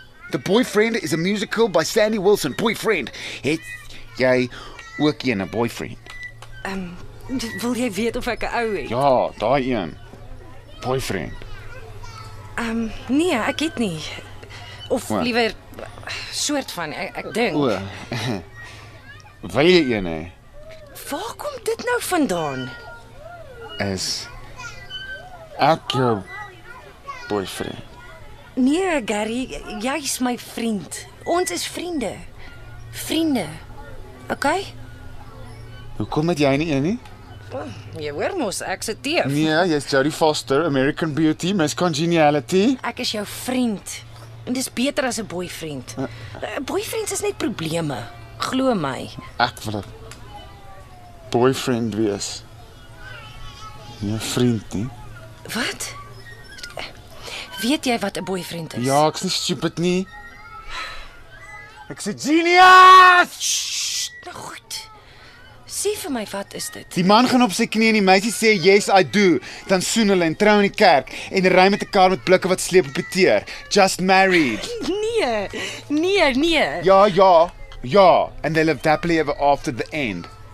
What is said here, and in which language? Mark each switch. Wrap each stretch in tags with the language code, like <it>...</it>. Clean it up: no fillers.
<en>The Boyfriend is a musical by Sandy Wilson. Boyfriend.</en> <af>Het jy ook een,</af> <en>a boyfriend?</en> <af>Wil jy weet of ek 'n ou het? Ja, daai een. Boyfriend. Nee, ek het nie. Of liewer soort van, ek dink. O. Wil jy een hê? Waar kom dit nou vandaan? Is ek jou boyfriend? Nee, Gary, jy is my vriend. Ons is vriende. Vriende. Okay? Hoekom het jy nie een nie? Jy hoor mos, ek se teef. Nee, jy's Jodie Foster, American Beauty, Miss Congeniality. Ek is jou vriend. En dis beter as 'n boyfriend. Boyfriends is net probleme. Glo my. Ek wil 'n boyfriend wees. Nie 'n vriend nie. Wat? Weet jy wat 'n boyfriend is? Ja, ek's nie stupid nie. Ek's 'n genius! Nou goed. Sê vir my, wat is dit? Die man gaan op sy knie en die meisie sê,</af> <en>yes, I do.</en> <af>Dan soen hulle en trou in die kerk. En ry met 'n kar met blikke wat sleep op die teer.</af> <en>Just married.</en> <af>Nee. Ja.</af> <en>And they live happily ever after the end.</en>